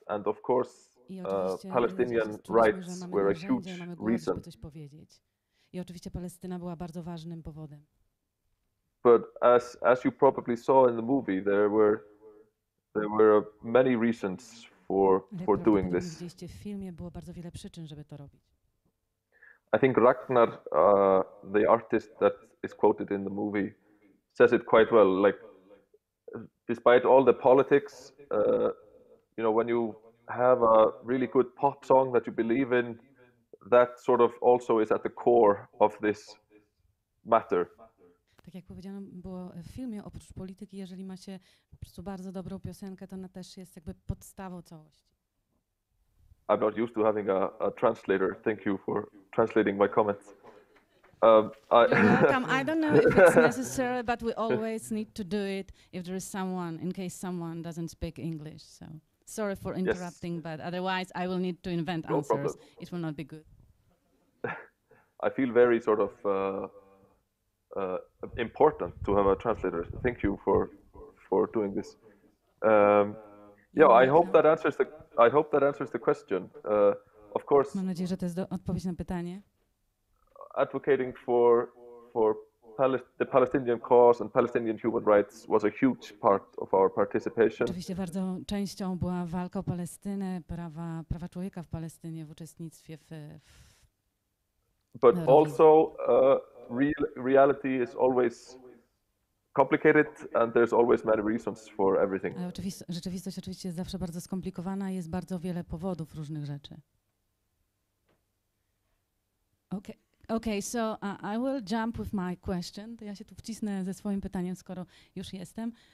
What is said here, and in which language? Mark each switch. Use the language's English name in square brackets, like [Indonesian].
[English] And of course, Palestinian rights were a huge reason. [Polish] I oczywiście Palestyna była bardzo ważnym powodem. [English] But as you probably saw in the movie, there were many reasons for doing this. [Polish] W filmie było bardzo wiele przyczyn, żeby to robić. [English] I think Ragnar, the artist that is quoted in the movie, says it quite well. Like, despite all the politics, you know, when you have a really good pop song that you believe in, that sort of also is at the core of this matter. [Polish] Tak jak powiedziano było w filmie, oprócz polityki, jeżeli ma się po prostu bardzo dobrą piosenkę, to ona też jest jakby podstawą całości. [English] I'm not used to having a translator. Thank you for translating my comments. You're welcome. I don't know if it's necessary, but we always need to do it if there is someone, in case someone doesn't speak English. So sorry for interrupting, yes. But otherwise I will need to invent no answers. Problem. It will not be good. I feel very sort of important to have a translator. Thank you for doing this. I hope that answers the question. Of course. [Polish] Mam nadzieję, że to jest odpowiedź na pytanie. [English] Advocating for the Palestinian cause and Palestinian human rights was a huge part of our participation. [Polish] Oczywiście bardzo częścią była walka o Palestynę, prawa człowieka w Palestynie, w uczestnictwie w [English] But also reality is always complicated and there's always many reasons for everything. [Polish] Rzeczywistość oczywiście jest zawsze bardzo skomplikowana i jest bardzo wiele powodów różnych rzeczy. [English] Okay, so I will jump with my question. [Polish] To ja się tu wcisnę ze swoim pytaniem, skoro już jestem.